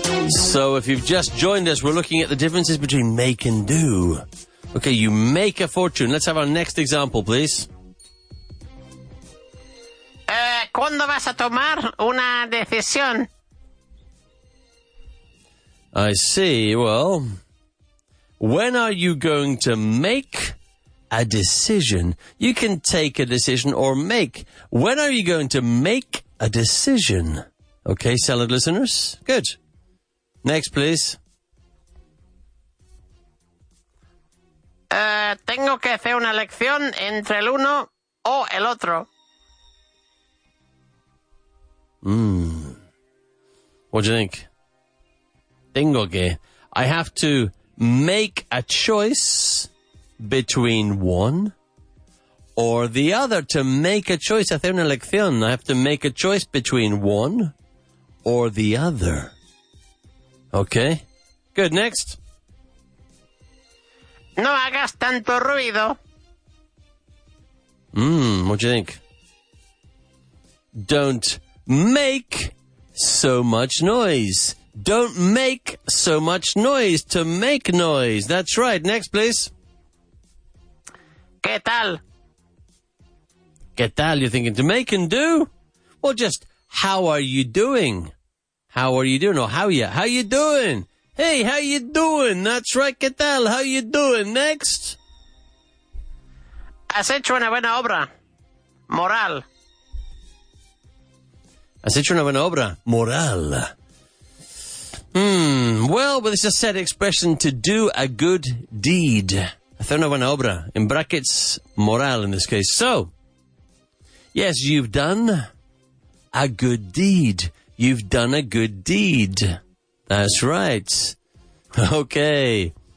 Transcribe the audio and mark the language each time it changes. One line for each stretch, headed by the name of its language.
English: So if you've just joined us, we're looking at the differences between make and do. Okay, you make a fortune. Let's have our next example, please.
Spanish: ¿Cuándo vas a tomar una decisión?
English: I see. Well, when are you going to make a decision? You can take a decision or make. When are you going to make a decision? Okay, salad listeners. Good. Next, please.
Spanish: Tengo que hacer una elección entre el uno o el otro.
English: What do you think?
Spanish: Tengo que.
English: I have to make a choice between one or the other. To make a choice,
Spanish: hacer una elección.
English: I have to make a choice between one or the other. Okay. Good. Next.
Spanish: No hagas tanto ruido.
English: What do you think? Don't make so much noise. Don't make so much noise. To make noise. That's right. Next, please.
Spanish: ¿Qué tal? ¿Qué tal?
English: You're thinking to make and do? Well, just how are you doing? How are you doing? Or how you doing? Hey, how you doing? That's right,
Spanish: ¿qué tal?
English: How you doing? Next.
Spanish: Has hecho una buena obra.
English: Moral.
Spanish: Has hecho una buena obra.
English: Moral. Well, but it's a set expression to do a good deed.
Spanish: Hacer una buena obra.
English: In brackets, moral in this case. So, yes, you've done a good deed. You've done a good deed. That's right. Okay.